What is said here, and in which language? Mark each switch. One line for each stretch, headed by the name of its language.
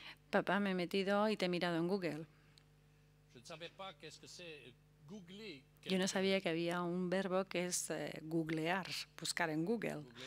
Spanish: Papá, me he metido y te he mirado en Google.
French: Je ne savais pas qu'est-ce que c'est googler.
Spanish: Yo no sabía que había un verbo que es googlear, buscar en Google.